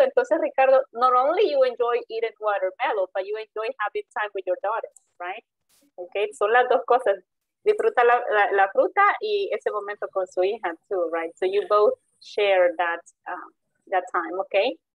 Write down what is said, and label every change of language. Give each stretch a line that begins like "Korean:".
Spanish: Entonces,
English: Ricardo, not only you enjoy eating watermelon, but you enjoy having time with your daughter, right?
Spanish: Okay, son las dos cosas. Disfruta la fruta y ese momento con su hija
English: too, right? So you both share that that time, okay?